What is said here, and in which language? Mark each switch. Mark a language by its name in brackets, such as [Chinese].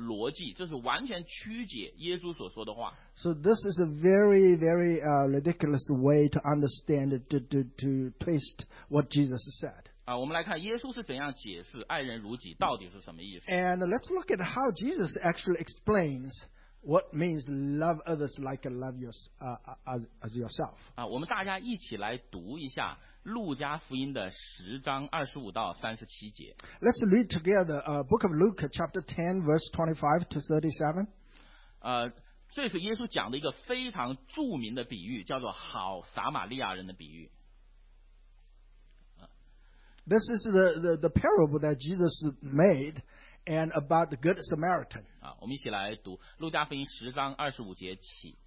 [Chinese] 所以这是非常荒谬的逻辑，这是完全曲解耶稣所说的话。 [English] So this is a very, very ridiculous way to understand it, to twist what Jesus said. [Chinese] 我们来看耶稣是怎样解释爱人如己到底是什么意思。 [English] And let's look at how Jesus actually explains what means love others like love yourself. [Chinese] 我们大家一起来读一下。路加福音的10章25到37节 [English] Let's read together Book of Luke chapter 10 verse 25 to 37 [Chinese] 这是耶稣讲的一个非常著名的比喻 叫做好撒玛利亚人的比喻 [English] This is the parable that Jesus made and about the good Samaritan [Chinese] 我们一起来读路加福音10章25节起